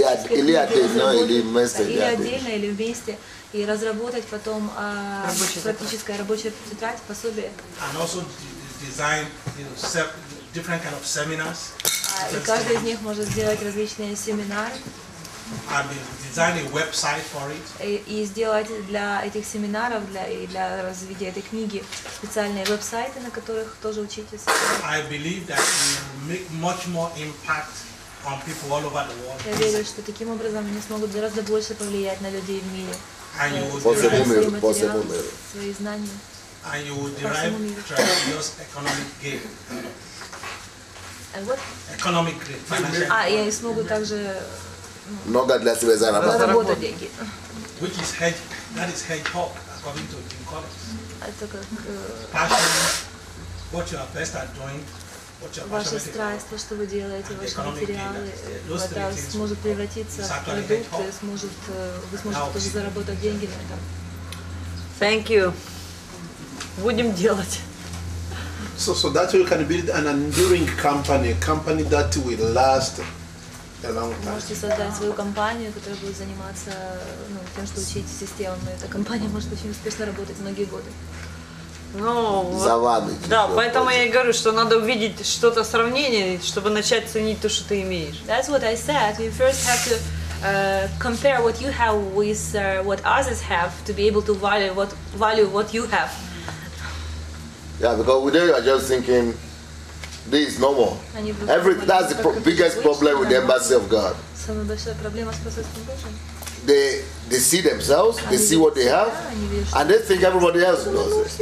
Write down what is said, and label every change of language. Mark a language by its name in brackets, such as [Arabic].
[Russian] Или отдельно, или вместе, и разработать потом практическое рабочее тетрадь, пособие. [English] And also design, you know, different kind of seminars. [Russian] И каждый из них может сделать различные семинары. [English] And design a website for it. [Russian] И сделать для этих семинаров, для развития этой книги специальные веб-сайты, на которых тоже учитесь. [English] I believe that you make much more impact on people all over the world. [Russian] Я верю, что таким образом они смогут гораздо больше повлиять на людей в мире. [English] And you will [Russian] свои знания. [English] And you will derive tremendous economic gain. And what? Economic gain, financial. [Russian] И они смогут также много для себя зарабатывать. Работа, [English] which is hedgehog, according to Jim Collins. [Russian] Это как [English] passion, what you are best at doing. [Russian] Ваша страсть, то, что вы делаете, ваши материалы, это сможет превратиться в продукт, вы сможете тоже заработать деньги на этом. [English] Thank you. Будем делать. So that you can build an enduring company, a company that will last a long time. [Russian] Можете создать свою компанию, которая будет заниматься тем, что учить системы. Эта компания может очень успешно работать многие годы. За вами. Да, поэтому я и говорю, что надо увидеть что-то сравнение, чтобы начать ценить то, что ты имеешь. [English] That's what I said. You first have to compare what you have with what others have to be able to value what you have. Yeah, because with them you are just thinking this is normal. That's the biggest problem with the embassy of God. [Russian] Самая большая проблема с посольством Божьим. [English] They see themselves, they see what they have, and they think everybody else knows it.